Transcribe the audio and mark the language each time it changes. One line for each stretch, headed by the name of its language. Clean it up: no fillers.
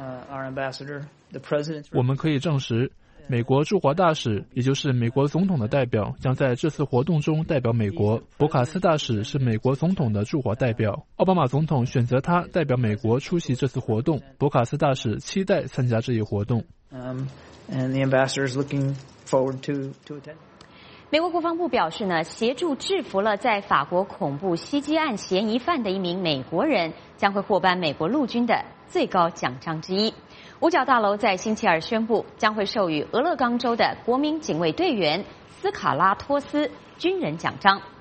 English: Our ambassador, the president.
Chinese: 我们可以证实，美国驻华大使，也就是美国总统的代表，将在这次活动中代表美国。博卡斯大使是美国总统的驻华代表，奥巴马总统选择他代表美国出席这次活动。博卡斯大使期待参加这一活动。
English: And the ambassador is looking forward to attend.
Chinese: 美国国防部表示呢，协助制服了在法国恐怖袭击案嫌疑犯的一名美国人，将会获颁美国陆军的最高奖章之一。五角大楼在星期二宣布，将会授予俄勒冈州的国民警卫队员斯卡拉托斯军人奖章。